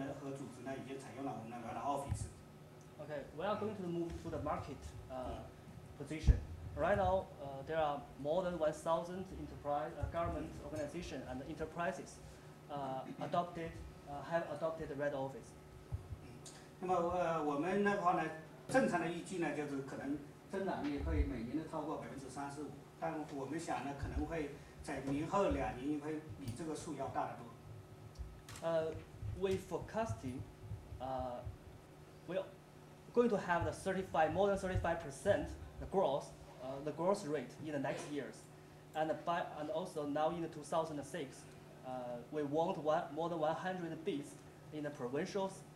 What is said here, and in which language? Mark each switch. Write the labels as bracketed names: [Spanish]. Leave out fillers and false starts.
[Chinese] 那么下面的话呢，我简单的介绍一下我们目前的话呢市场的状况，就是如果包括企业和一些机构的话，目前为止已经有超过1000多家的企业机构呢和组织呢已经采用了我们的软件的office。 [English] Okay, we are going to move to the market position. Right now, there are more than 1,000 enterprise government organization and enterprises have adopted the red office. [Chinese] 那么我们的话呢，正常的预计呢，就是可能增长率会每年的超过35%，但我们想呢，可能会在明后两年会比这个数要大得多。 [English] We forecasting, we're going to have the more than 35% the growth rate in the next years, and also now in the 2006, we want more than 100 bids in the provincials.